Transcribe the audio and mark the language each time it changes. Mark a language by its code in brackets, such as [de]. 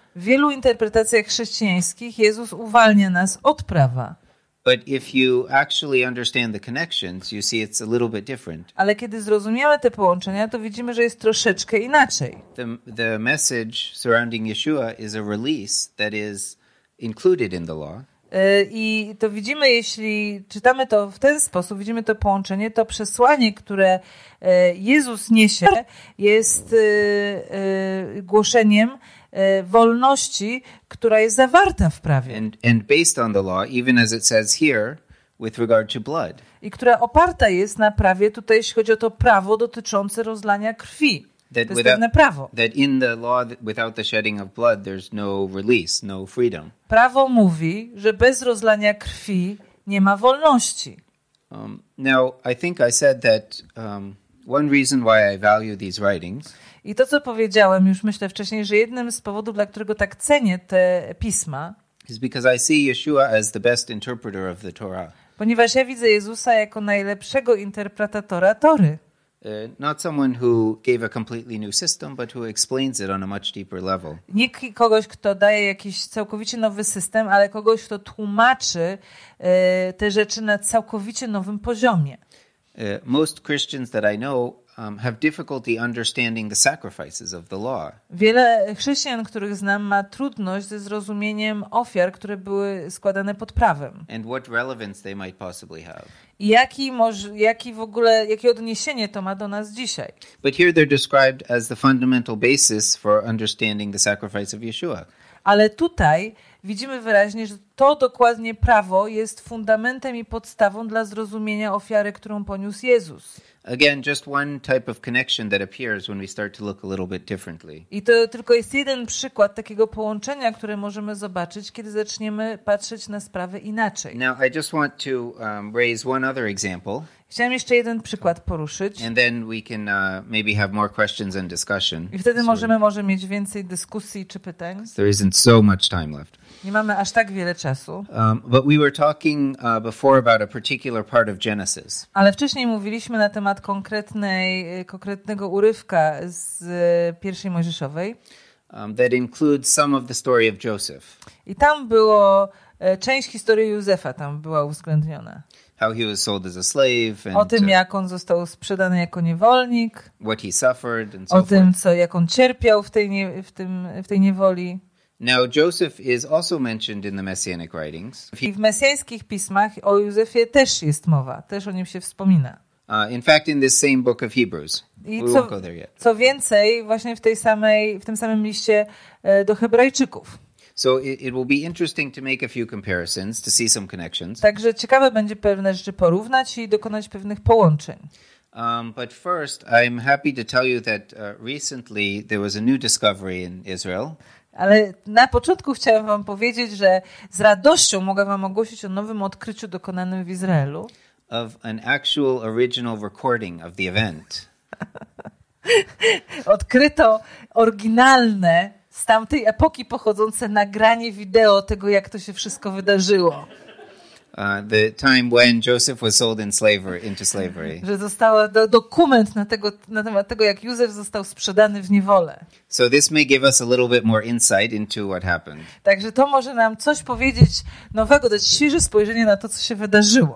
[pl] W wielu interpretacjach chrześcijańskich Jezus uwalnia nas od prawa. [en] But if you actually understand the connections, you see it's a little bit different. [pl] Ale kiedy zrozumiemy te połączenia, to widzimy, że jest troszeczkę inaczej. [en] The message surrounding Yeshua is a release that is included in the law. [pl] I to widzimy, jeśli czytamy to w ten sposób, widzimy to połączenie, to przesłanie, które Jezus niesie, jest głoszeniem wolności, która jest zawarta w prawie. [en] And based on the law, even as it says here, with regard to blood. [pl] I która oparta jest na prawie, tutaj jeśli chodzi o to prawo dotyczące rozlania krwi. [en] That [pl] to jest pewne prawo. [en] That in the law, without the shedding of blood, there's no release, no freedom. [pl] Prawo mówi, że bez rozlania krwi nie ma wolności. [en] Now, I think I said that one reason why I value these writings. [pl] I to, co powiedziałem już myślę wcześniej, że jednym z powodów, dla którego tak cenię te pisma, [en] is because I see Yeshua as the best interpreter of the Torah. [pl] Ponieważ ja widzę Jezusa jako najlepszego interpretatora Tory. [en] Not someone who gave a completely new system, but who explains it on a much deeper level. [pl] Nie kogoś, kto daje jakiś całkowicie nowy system, ale kogoś, kto tłumaczy te rzeczy na całkowicie nowym poziomie. [en] Most Christians that I know have difficulty understanding the sacrifices of the law. [pl] Wiele chrześcijan, których znam, ma trudność ze zrozumieniem ofiar, które były składane pod prawem. [en] And what relevance they might possibly have. [pl] I jaki w ogóle, jakie odniesienie to ma do nas dzisiaj? [en] But here they're described as the fundamental basis for understanding the sacrifice of Yeshua. [pl] Ale tutaj widzimy wyraźnie, że to dokładnie prawo jest fundamentem i podstawą dla zrozumienia ofiary, którą poniósł Jezus. [en] Again, just one type of connection that appears when we start to look a little bit differently. [pl] I to tylko jest jeden przykład takiego połączenia, które możemy zobaczyć, kiedy zaczniemy patrzeć na sprawę inaczej. [en] Now, I just want to raise one other example. [pl] Chciałem jeszcze jeden przykład poruszyć. [en] And then we can maybe have more questions and discussion. [pl] I wtedy możemy może mieć więcej dyskusji czy pytań. [en] There isn't so much time left. [pl] Nie mamy aż tak wiele czasu. [en] But we were talking before about a particular part of Genesis. [pl] Ale wcześniej mówiliśmy na temat konkretnego urywka z pierwszej Mojżeszowej. [en] That includes some of the story of Joseph. [pl] I tam było część historii Józefa tam była uwzględniona. [en] How he was sold as a slave and [pl] o tym, jak on został sprzedany jako niewolnik. [en] What he suffered and so forth. [pl] O tym, jak on cierpiał w tej niewoli. [en] Now Joseph is also mentioned in the messianic writings. [pl] I w mesjańskich pismach o Józefie też jest mowa, też o nim się wspomina. [en] In fact, in this same book of Hebrews. We won't go there yet. [pl] Co więcej, właśnie w tym samym liście do Hebrajczyków. [en] So it will be interesting to make a few comparisons, to see some connections. [pl] Także ciekawe będzie pewne rzeczy porównać i dokonać pewnych połączeń. [en] But first, I'm happy to tell you that recently there was a new discovery in Israel. [pl] Ale na początku chciałem wam powiedzieć, że z radością mogę wam ogłosić o nowym odkryciu dokonanym w Izraelu. [en] Of an actual original recording of the event. [pl] Odkryto oryginalne z tamtej epoki pochodzące nagranie wideo tego, jak to się wszystko wydarzyło. [en] The time when Joseph was sold in slavery, into slavery. [pl] Że został dokument na temat tego, jak Józef został sprzedany w niewolę. [en] So this may give us a little bit more insight into what happened. [pl] Także to może nam coś powiedzieć nowego, dać świeże spojrzenie na to, co się wydarzyło.